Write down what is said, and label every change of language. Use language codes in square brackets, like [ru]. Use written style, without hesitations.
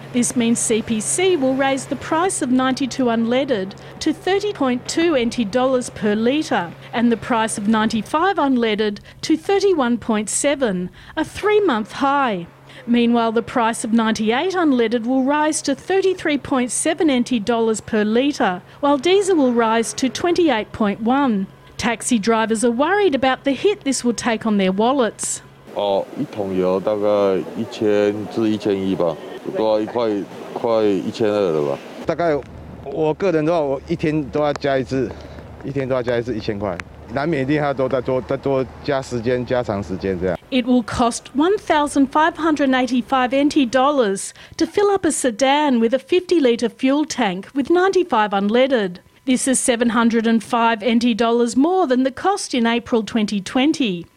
[en] This means CPC will raise the price of 92 unleaded to 30.2 NT dollars per litre and the price of 95 unleaded to 31.7, a three-month high. Meanwhile, the price of 98 unleaded will rise to 33.7 NT dollars per litre, while diesel will rise to 28.1. Taxi drivers are worried about the hit this will take on their wallets. [zh] Oh, 一桶油大概1000至1100吧，多一块1200了吧。大概我个人的话，我一天都要加一次，一天都要加一次1000块。 [en] It will cost 1,585 NT dollars to fill up a sedan with a 50-litre fuel tank with 95 unleaded. This is 705 NT dollars more than the cost in April 2020.